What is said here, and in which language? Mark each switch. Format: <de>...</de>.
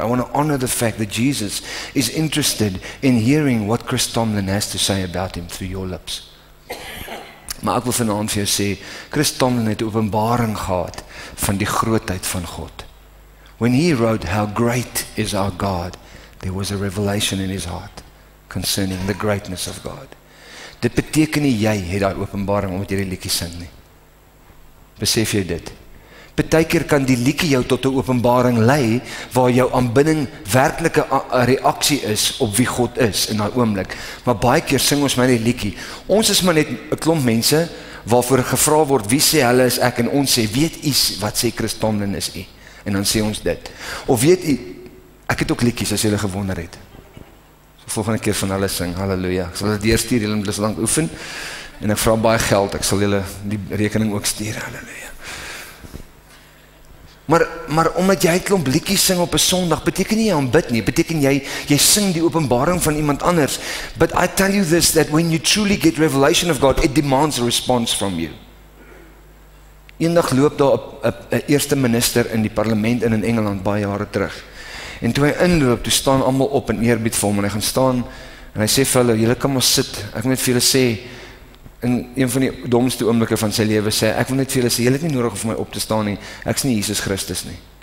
<en>I want to honor the fact that Jesus is interested in hearing what Chris Tomlin has to say about him through your lips.</en> <af>Maar ek wil vanavond vir jou sê, Chris Tomlin het openbaring gehad van die grootheid van God.</af> <en>When he wrote, how great is our God, there was a revelation in his heart concerning the greatness of God.</en> <af>Dit beteken nie, jy het die openbaring omdat jy die liedjie sing nie. Besef jy dit? Partykeer kan die liedjie jou tot 'n openbaring lei, waar jou aanbidding werklike reaksie is op wie God is in daai oomblik. Maar baie keer sing ons maar die liedjie. Ons is maar net 'n klomp mense waarvoor gevra word, wie sê hulle is ek, en ons sê, weet u wat sê Chris Tomlin is u? En dan sê ons dit. Of weet u, ek het ook liedjies as julle gewonder het. So volgende keer van hulle sing, halleluja. Ek sal dit deurstuur, julle moet dit lank oefen. En ek vra baie geld, ek sal julle die rekening ook stuur, halleluja. Maar omdat jy klomp liedjies sing op 'n Sondag, beteken nie jy aanbid nie, beteken jy sing die openbaring van iemand anders.</af> <en>But I tell you this, that when you truly get revelation of God, it demands a response from you.</en> <af>Eendag loop daar 'n eerste minister in die parlement in Engeland, baie jare terug. En toe hy inloop, toe staan allemaal op in eerbied vir hom, en hy gaan staan, en hy sê vir hulle, julle kan maar sit, ek moet vir julle sê, in een van die domste oomblikke van sy lewe sê, ek wil net vir julle sê, julle het nie nodig om my op te staan nie, ek is nie Jesus Christus nie.</af>